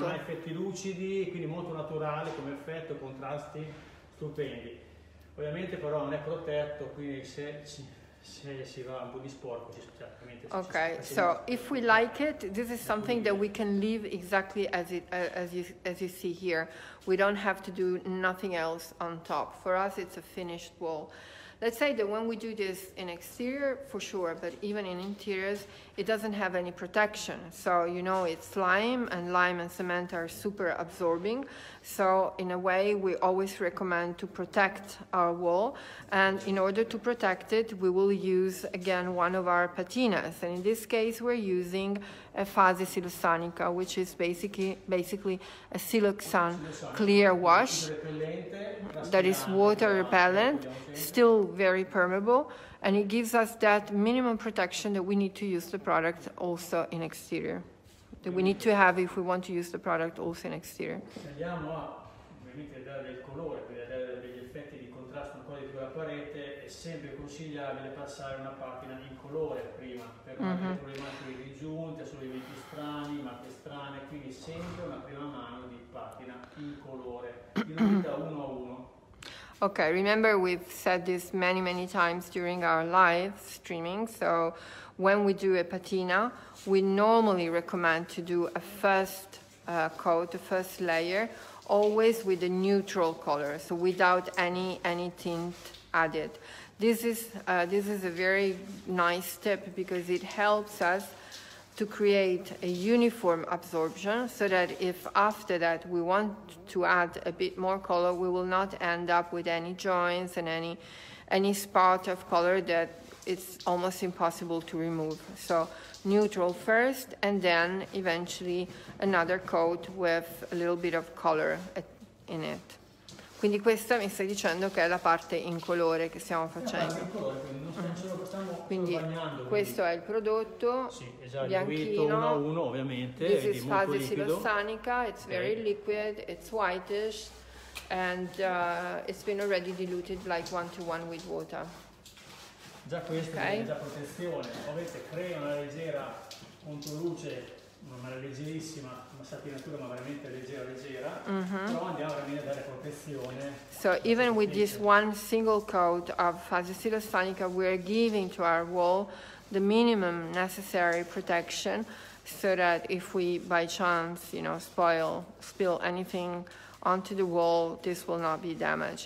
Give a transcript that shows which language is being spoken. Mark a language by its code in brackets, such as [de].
[it] Non ha effetti lucidi, quindi molto naturale come effetto, contrasti stupendi. Ovviamente però non è protetto, quindi se si va un po' di sporco, ci spiace. [en] Ok, so if we like it, this is something that we can leave exactly as you see here. We don't have to do nothing else on top. For us it's a finished wall. Let's say that when we do this in exterior, for sure, but even in interiors, it doesn't have any protection. So, you know, it's lime, and lime and cement are super absorbing. So, in a way, we always recommend to protect our wall. And in order to protect it, we will use, again, one of our patinas. And in this case, we're using a Fase Siloxanica, which is basically a Siloxan clear wash that is water repellent, still very permeable, and it gives us that minimum protection that we need to use the product also in exterior, that we need to have if we want to use the product also in exterior. [it] Andiamo a ovviamente dare il colore, quindi a dare degli effetti di contrasto ancora di più alla parete, è sempre consigliabile passare una patina in colore prima, per non avere problemi di giunte, solo elementi strani, marche strane, quindi sempre una prima mano di patina in colore, in unità 1 a 1. [en] Okay, remember we've said this many, many times during our live streaming. So when we do a patina, we normally recommend to do a first coat, a first layer, always with a neutral color, so without any tint added. This is a very nice tip because it helps us to create a uniform absorption, so that if after that we want to add a bit more color, we will not end up with any joints and any spot of color that it's almost impossible to remove. So neutral first, and then eventually another coat with a little bit of color in it. [it] Quindi questa mi stai dicendo che è la parte in colore che stiamo facendo. Quindi questo è il prodotto, sì, esatto, bianchino, 1 a 1 ovviamente. [en] This [it] è [en] is Fase Siloxanica, it's very liquid, it's whitish, and it's been already diluted like 1 to 1 with water. [it] Già questo è già protezione, ovviamente crea una leggera contro luce non era leggerissima, una satinatura, ma veramente leggera, leggera. Mm-hmm. Però andiamo veramente a dare protezione. [en] So even with this one single coat of Fuzzy Sonica, we are giving to our wall the minimum necessary protection, so that if we by chance, you know, spill anything onto the wall, this will not be damaged.